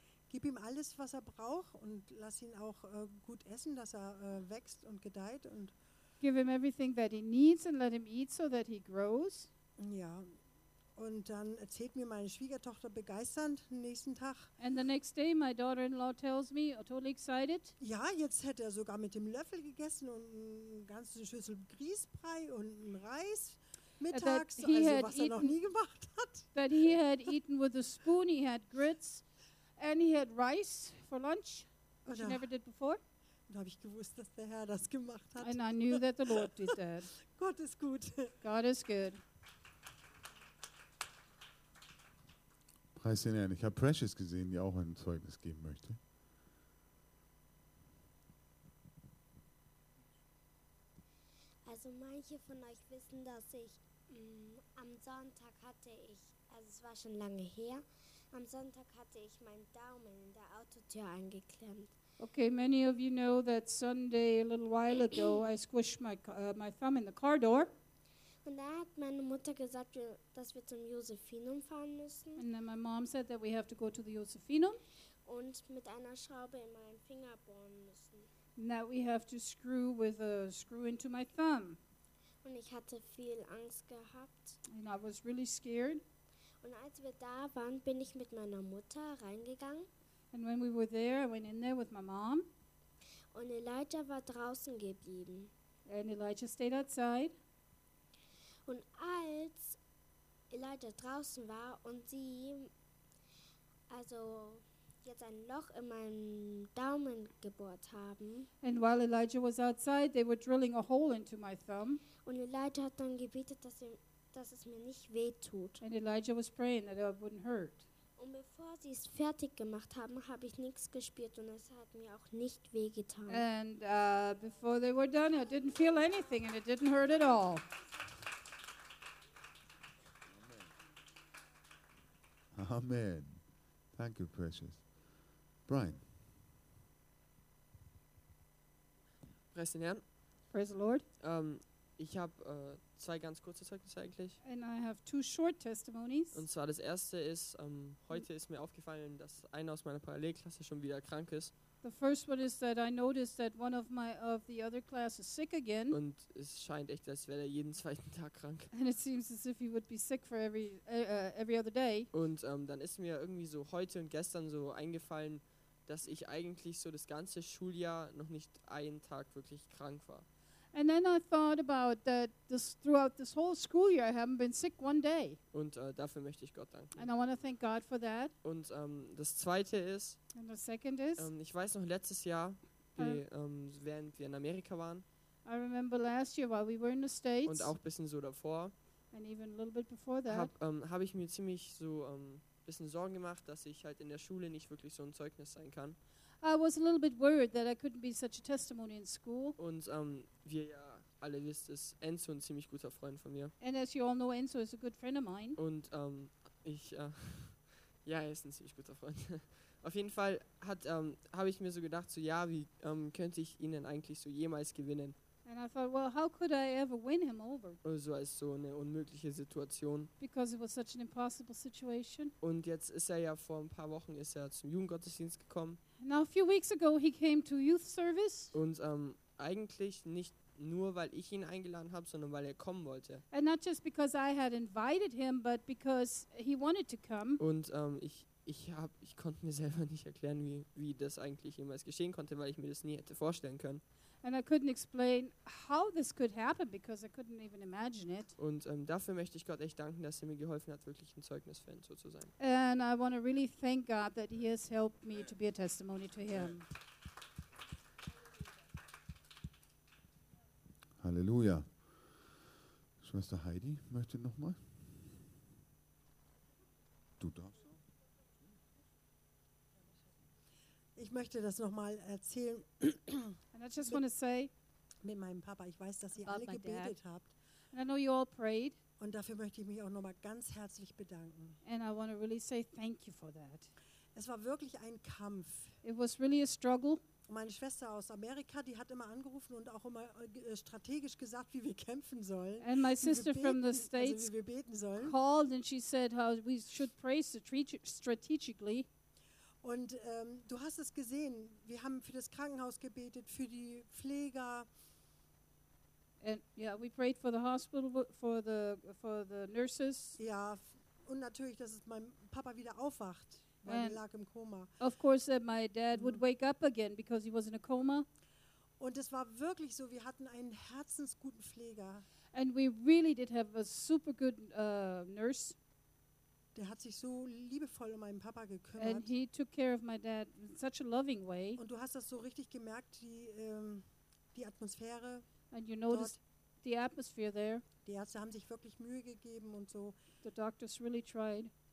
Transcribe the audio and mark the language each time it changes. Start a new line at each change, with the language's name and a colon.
German: gib ihm alles, was er braucht und lass ihn auch gut essen, dass er wächst und gedeiht. Und
English: give him everything that he needs and let him eat so that he grows.
German: Ja, und dann erzählt mir meine Schwiegertochter begeisternd den nächsten Tag.
English: And the next day my daughter-in-law tells me, totally excited.
German: Ja, jetzt hätte er sogar mit dem Löffel gegessen und eine ganze Schüssel Grießbrei und einen Reis. Mittags,
English: he also had was eaten,
German: er noch nie gemacht hat.
English: That he had eaten with a spoon, he had grits, and he had rice for lunch, which he never did before.
German: Da habe ich gewusst, dass der Herr das gemacht hat.
English: And I knew that the Lord did that.
German: Gott ist gut.
English: God is good.
German: Preis den Herrn. Ich habe Precious gesehen, die auch ein Zeugnis geben möchte. Also manche von euch wissen, dass ich am Sonntag hatte ich, also es war schon lange her, am Sonntag hatte ich meinen Daumen in der Autotür eingeklemmt.
English: Okay, many of you know that Sunday a little while ago I squished my thumb in the car door.
German: Und da hat meine Mutter gesagt, dass wir zum Josephinum fahren müssen.
English: And then my mom said that we have to go to the Josephinum.
German: Und mit einer Schraube in meinen Finger bohren müssen.
English: That we have to screw with a screw into my thumb.
German: Und ich hatte viel Angst gehabt.
English: And I was really scared.
German: Und als wir da waren, bin ich mit meiner Mutter reingegangen.
English: And when we were there, I went in there with my mom.
German: Und Elijah war draußen geblieben.
English: And Elijah stayed outside.
German: Und als Elijah draußen war und sie also jetzt ein Loch in meinem Daumen gebohrt haben.
English: And while Elijah was outside, they were drilling a hole into my thumb.
German: Und Elijah hat dann gebetet, dass es mir nicht wehtut.
English: And Elijah was praying that it wouldn't hurt.
German: Und bevor sie es fertig gemacht haben, habe ich nichts gespürt und es hat mir auch nicht wehgetan.
English: And before they were done, I didn't feel anything and it didn't hurt at all. Amen. Thank you, Precious. Brian.
German: Preis den Herrn.
English: Praise the Lord.
German: Ich habe zwei ganz kurze Zeugnisse eigentlich.
English: And I have two short testimonies.
German: Und zwar das erste ist, heute ist mir aufgefallen, dass einer aus meiner Parallelklasse schon wieder krank ist.
English: The first one is that I noticed that one of the other class is sick again.
German: Und es scheint echt, als wäre er jeden zweiten Tag krank.
English: And it seems as if he would be sick for every other day.
German: Und dann ist mir irgendwie so heute und gestern so eingefallen, dass ich eigentlich so das ganze Schuljahr noch nicht einen Tag wirklich krank war.
English: And then I thought about that this throughout this whole school year I haven't been sick one day.
German: Und dafür möchte ich Gott danken.
English: And I want to thank God for that.
German: Und das zweite ist,
English: and the second is,
German: ich weiß noch letztes Jahr, während wir in Amerika waren.
English: I remember last year while we were in the States.
German: Und auch ein bisschen so davor.
English: And even a little bit before that.
German: Hab ich mir ziemlich so bisschen Sorgen gemacht, dass ich halt in der Schule nicht wirklich so ein Zeugnis sein kann.
English: I was a little bit worried that I couldn't be such a testimony in school.
German: Und wir ja alle wisst, ist Enzo ein ziemlich guter Freund von mir.
English: And as you all know, Enzo is a good friend of mine.
German: Und ich, ja, er ist ein ziemlich guter Freund. Auf jeden Fall habe ich mir so gedacht, so ja, wie könnte ich ihn denn eigentlich so jemals gewinnen?
English: And I thought, well, how could I ever win him over?
German: So als so eine unmögliche Situation.
English: Because it was such an impossible situation.
German: Und jetzt ist er ja vor ein paar Wochen ist er zum Jugendgottesdienst gekommen.
English: Now a few weeks ago he came to youth service.
German: Und eigentlich nicht nur weil ich ihn eingeladen habe, sondern weil er kommen wollte.
English: And not just because I had invited him, but because he wanted to come.
German: Und ich ich konnte mir selber nicht erklären, wie das eigentlich jemals geschehen konnte, weil ich mir das nie hätte vorstellen können.
English: And I couldn't explain how this could happen because I couldn't even imagine it.
German: Und dafür möchte ich Gott echt danken, dass er mir geholfen hat, wirklich ein Zeugnis-Fan so zu sein.
English: And I want to really thank God that he has helped me to be a testimony to him.
German: Halleluja. Schwester Heidi möchte noch mal. Du darfst. Ich möchte das noch mal erzählen.
English: And I just want to say
German: mit meinem Papa, ich weiß, dass ihr alle gebetet habt.
English: And I know you all prayed.
German: Und dafür möchte ich mich auch noch mal ganz herzlich bedanken.
English: And I want to really say thank you for that.
German: Es war wirklich ein Kampf.
English: It was really a struggle.
German: Meine Schwester aus Amerika, die hat immer angerufen und auch immer strategisch gesagt, wie wir kämpfen sollen.
English: And my sister from the States,
German: also wie wir beten sollen.
English: Called and she said how we should pray strategically.
German: Und du hast es gesehen, wir haben für das Krankenhaus gebetet, für die Pfleger.
English: And yeah, we prayed for the hospital, for the nurses.
German: Ja, und natürlich, dass es mein Papa wieder aufwacht. Weil er lag im Koma.
English: Of course that my dad would wake up again because he was in a coma.
German: Und es war wirklich so, wir hatten einen herzensguten Pfleger.
English: And we really did have a super good nurse.
German: Der hat sich so liebevoll um meinen Papa gekümmert.
English: And he took care of my dad in such a loving way.
German: Und du hast das so richtig gemerkt, die Atmosphäre.
English: And you noticed the atmosphere there.
German: Die Ärzte haben sich wirklich Mühe gegeben und so.
English: The doctors really tried.